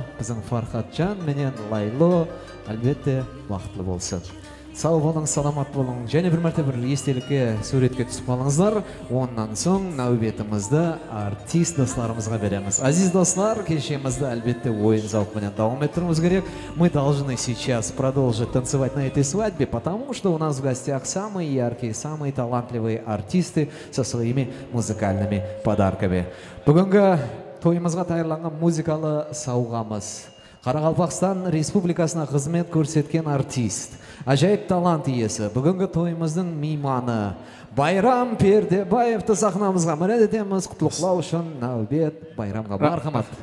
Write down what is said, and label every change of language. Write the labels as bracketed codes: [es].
[kaa] Біздің Фархатжан менен Лайло әлбетте бақытлы болсын. Сау болың, саламат болың. Және бір мәрте бір естелікке суретке түсіп алыңыздар. Оннан соң нәубетімізді артист достарымызға береміз. Азиз достар, кешемізді әлбетте ойын зауқымен дауым еттіруіміз керек. [ru] Мы должны сейчас продолжить танцевать на этой свадьбе, потому что у нас в гостях самые яркие, самые талантливые артисты со своими музыкальными подарками. [kaa] Бүгінгі тойымызға тайырланған музыкалы сауғамыз. Қарақалпақстан Республикасына қызмет көрсеткен артист. Әжайып талант иесі, бүгінгі тойымыздың мейманы. Байрам Пердебаевты сахнамызға мәрет етеміз. Құтлықлау үшін нәубет Байрамға мархамат.